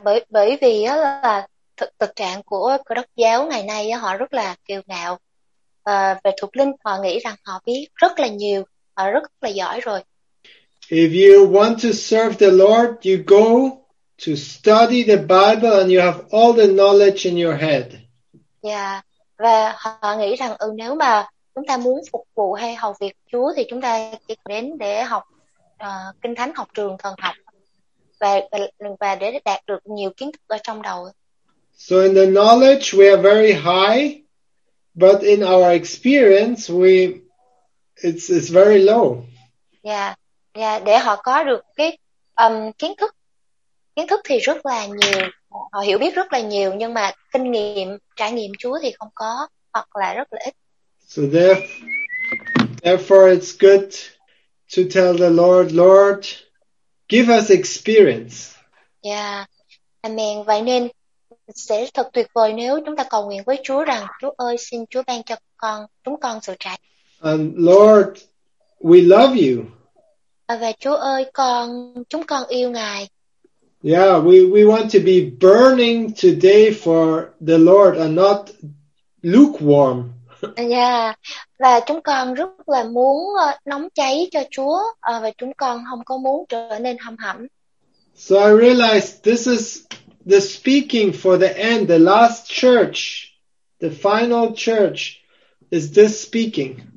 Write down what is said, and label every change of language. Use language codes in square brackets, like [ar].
[vi] Bởi vì đó là thực trạng của Cơ Đốc giáo ngày nay, họ rất là kiêu ngạo về thuộc linh, họ nghĩ rằng họ biết rất là nhiều, họ rất là giỏi rồi. [en] If you want to serve the Lord, you go to study the Bible and you have all the knowledge in your head. [vi] Và họ nghĩ rằng nếu mà chúng ta muốn phục vụ hay hầu việc Chúa thì chúng ta chỉ đến để học Kinh Thánh, học trường thần học và để đạt được nhiều kiến thức ở trong đầu. [en] So in the knowledge we are very high, but in our experience it's very low. [vi] Để họ có được cái kiến thức thì rất là nhiều, họ hiểu biết rất là nhiều, nhưng mà kinh nghiệm, trải nghiệm Chúa thì không có hoặc là rất là ít. [en] So therefore it's good to tell the Lord, give us experience. Amen. [vi] Vậy nên sẽ thật tuyệt vời nếu chúng ta cầu nguyện với Chúa rằng Chúa ơi, xin Chúa ban cho chúng con sự trải. [en] And Lord, we love you. [vi] Và Chúa ơi, chúng con yêu Ngài. [en] We want to be burning today for the Lord and not lukewarm. [vi] Và chúng con rất là muốn nóng cháy cho Chúa, và chúng con không có muốn trở nên hâm hẩm. [en] So I realized this is the speaking for the end, the last church, the final church is this speaking.